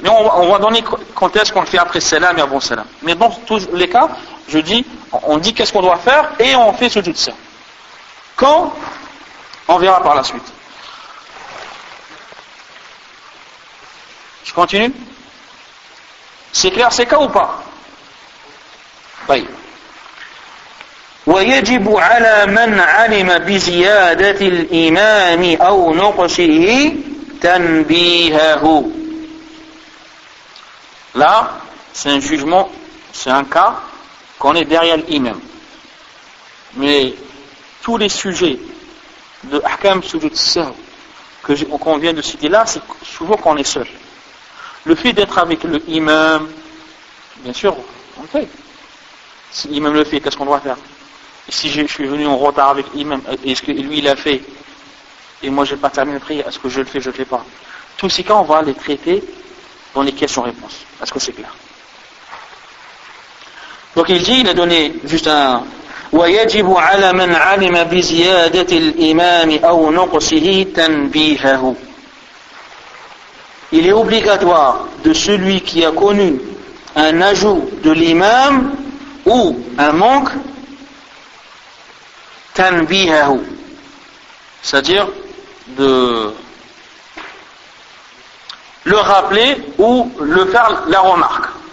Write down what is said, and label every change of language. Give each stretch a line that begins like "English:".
French: Mais on va donner quand est-ce qu'on le fait après salam et avant salam. Mais dans tous les cas, je dis, on dit qu'est-ce qu'on doit faire et on fait ce tout ça. Quand? On verra par la suite. Je continue? C'est clair ces cas ou pas? Oui.
Arabic: ويجب على من علم بزيادة الإمام أو نقصه تنبيهه.
French: Là, c'est un jugement, c'est un cas qu'on est derrière l'imam. Mais tous les sujets de ahkam sujud sahw qu'on vient de citer là, c'est souvent qu'on est seul. Le fait d'être avec l'imam, bien sûr, on le fait. Si l'imam le fait, qu'est-ce qu'on doit faire? Si je suis venu en retard avec l'imam, est-ce que lui il a fait et moi je n'ai pas terminé le prière, est-ce que je le fais, je ne le fais pas? Tous ces cas, on va les traiter dans les questions-réponses. Est-ce que c'est clair? Donc il dit, il a donné juste un.
Arabic: ويجب على من علم بزيادة الإمام أو نقصه تنبيهه.
French: Il est obligatoire de celui qui a connu un ajout de l'imam ou un manque, tanbihahu. C'est-à-dire de le rappeler ou le faire la remarque.